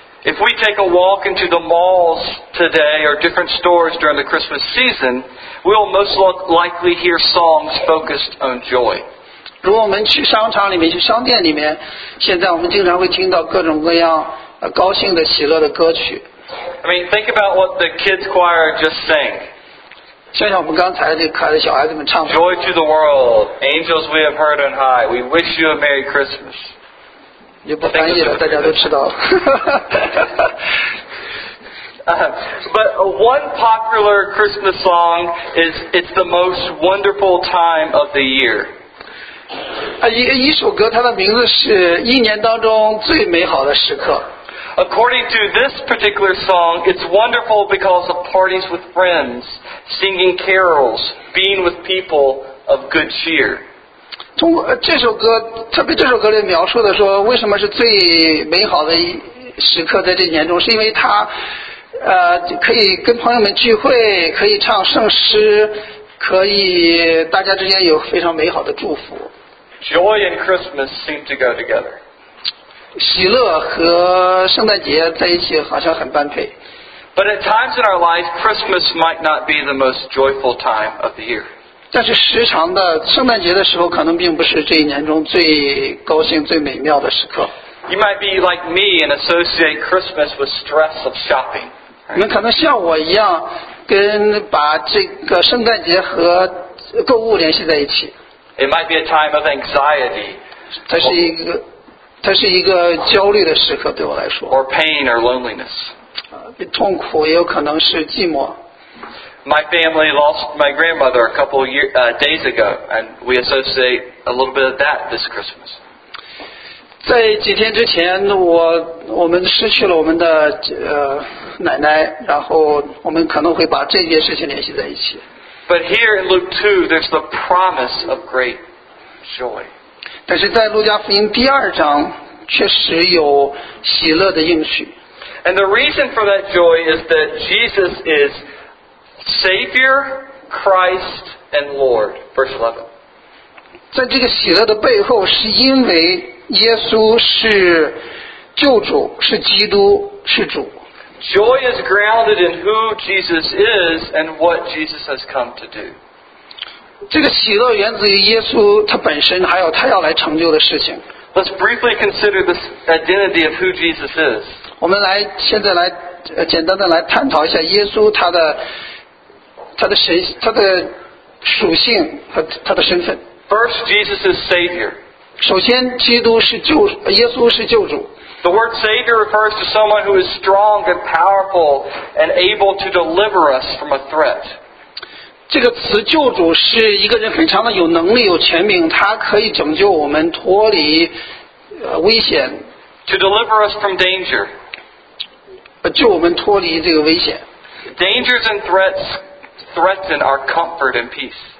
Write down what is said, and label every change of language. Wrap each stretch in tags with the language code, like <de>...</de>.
<en>If we take a walk into the malls today or different stores during the Christmas season, we'll most likely hear songs focused on joy.</en> <zh>如果我们去商场里面、去商店里面，现在我们经常会听到各种各样高兴的、喜乐的歌曲。</zh> <en>I mean, think about what the kids choir just sang.</en> <zh>像我们刚才这开的小孩子们唱的。</zh> <en>Joy to the world, angels we have heard on high, we wish you a Merry Christmas.</en> <zh>也不翻译了，大家都知道。</zh> <en>But one popular Christmas song is "It's the Most Wonderful Time of the Year."</en> <zh>一首歌，它的名字是《一年当中最美好的时刻》。</zh> <en>According to this particular song, it's wonderful because of parties with friends, singing carols, being with people of good cheer.</en> <zh>通过这首歌，特别这首歌里描述的说，为什么是最美好的时刻在这年中，是因为它，可以跟朋友们聚会，可以唱圣诗，可以大家之间有非常美好的祝福。</zh> <en>Joy and Christmas seem to go together.</en> <zh>喜乐和圣诞节在一起好像很般配。</zh> <en>But at times in our life, Christmas might not be the most joyful time of the year.</en> <zh>但是时常的圣诞节的时候可能并不是这一年中最高兴最美妙的时刻。</zh> <en>You might be like me and associate Christmas with stress of shopping.</en> <zh>你们可能像我一样跟把这个圣诞节和购物联系在一起。</zh> <en>It might be a time of anxiety.</en> <zh>它是一个焦虑的时刻对我来说。</zh> <en>Or pain or loneliness.</en> <zh>痛苦也有可能是寂寞。</zh> <en>My family lost my grandmother a couple of days ago, and we associate a little bit of that this Christmas.</en> <zh>在几天之前，我们失去了我们的奶奶，然后我们可能会把这件事情联系在一起。</zh> <en>But here in Luke 2, there's the promise of great joy.</en> <zh>但是在路加福音第二章，确实有喜乐的应许。</zh> <en>And the reason for that joy is that Jesus is. Savior, Christ, and Lord. Verse 11.</en> <zh>在这个喜乐的背后，是因为耶稣是救主，是基督，是主。</zh> <en>Joy is grounded in who Jesus is and what Jesus has come to do.</en> <zh>这个喜乐源自于耶稣他本身，还有他要来成就的事情。</zh> <en>Let's briefly consider the identity of who Jesus is.</en> <zh>我们来现在来简单的来探讨一下耶稣他的。他的属性和他的身份。</zh> <en>First, Jesus is Savior.</en> <zh>首先，基督是救，耶稣是救主。</zh> <en>The word Savior refers to someone who is strong and powerful and able to deliver us from a threat.</en> <zh>这个词救主是一个人非常的有能力、有权柄，他可以拯救我们脱离危险。</zh> <en>To deliver us from danger.</en> <zh>救我们脱离这个危险。</zh> <en>Dangers and threats. Threaten our comfort and peace.</en>